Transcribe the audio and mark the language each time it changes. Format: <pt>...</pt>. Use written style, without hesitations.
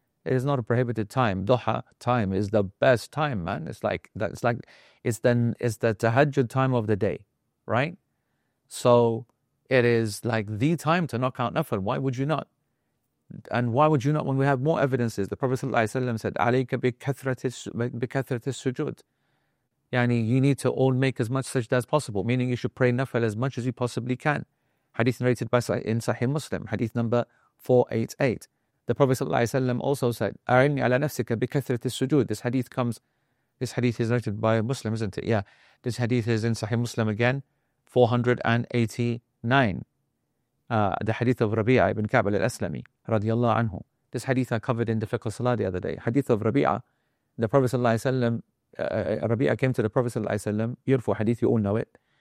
<en>It is not a prohibited time. Duha time is the best time, man. It's the tahajjud time of the day, right? So it is like the time to knock out nafl. Why would you not? And why would you not when we have more evidences? The Prophet ﷺ said,</en> <ar>عَلَيْكَ بِكَثْرَةِ السُّجُودِ.</ar> <en>Yani, you need to all make as much sajda as possible, meaning you should pray nafil as much as you possibly can. Hadith narrated in Sahih Muslim, hadith number 488. The Prophet ﷺ also said,</en> <ar>أَعِنِّي عَلَى نَفْسِكَ بِكَثْرَةِ السُّجُودِ.</ar> <en>This hadith is narrated by a Muslim, isn't it? Yeah. This hadith is in Sahih Muslim again, 489. The hadith of Rabi'ah ibn Ka'b al-Aslami radiyallahu anhu. This hadith I covered in the Fiqh al-Salah the other day. Hadith of Rabi'ah, the Prophet sallallahu alayhi wa sallam, Rabi'ah came to the Prophet sallallahu alayhi wa sallam, yurfu hadith, you all know it.</en>